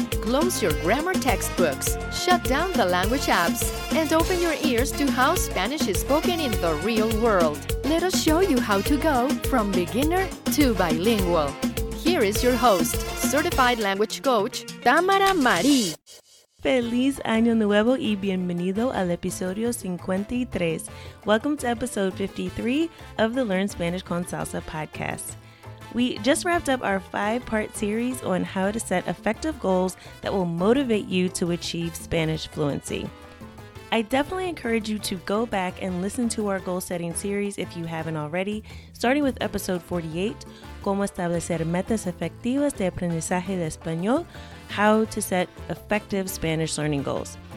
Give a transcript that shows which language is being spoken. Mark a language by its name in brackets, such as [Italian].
[English] Close your grammar textbooks, shut down the language apps, and open your ears to how Spanish is spoken in the real world. Let us show you how to go from beginner to bilingual. Here is your host, certified language coach, Tamara Marie. [Spanish] Feliz Año Nuevo y bienvenido al episodio 53. [English] Welcome to episode 53 of the Learn Spanish con Salsa podcast. We just wrapped up our 5-part series on how to set effective goals that will motivate you to achieve Spanish fluency. I definitely encourage you to go back and listen to our goal setting series if you haven't already, starting with episode 48, [Spanish] Cómo establecer metas efectivas de aprendizaje de español, [English] how to set effective Spanish learning goals.